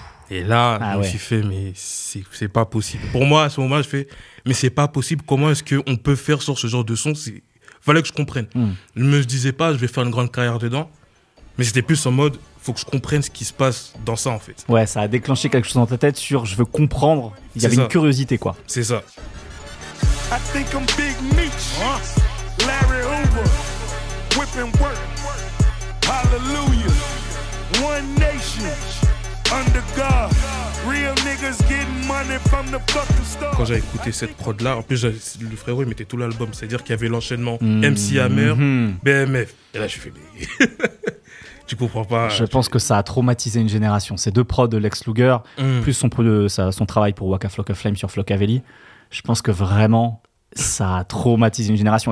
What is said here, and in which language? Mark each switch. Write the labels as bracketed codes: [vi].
[fr] Et là, je me suis fait, mais c'est pas possible. Pour moi, à ce moment, je fais, mais c'est pas possible. Comment est-ce qu'on peut faire sur ce genre de son? Il fallait que je comprenne. Je me disais pas, je vais faire une grande carrière dedans. Mais c'était plus en mode, faut que je comprenne ce qui se passe dans ça, en fait. Ouais, ça a déclenché quelque chose dans ta tête sur, je veux comprendre. Il y avait une curiosité, quoi. C'est ça. [en] I think I'm Big Meech, Larry Hoover, whipping work, hallelujah, one nation, under God, real niggas getting money from the fucking stars. [fr] Quand j'ai écouté cette prod-là, en plus, le frérot, il mettait tout l'album, c'est-à-dire qu'il y avait l'enchaînement MC Hammer, BMF, et là, je fais, mais... Tu comprends pas. Je pense que ça a traumatisé une génération. Ces deux prods de Lex Luger, plus son travail pour Waka Flocka Flame sur Flocka Valley, je pense que vraiment, ça a traumatisé une génération.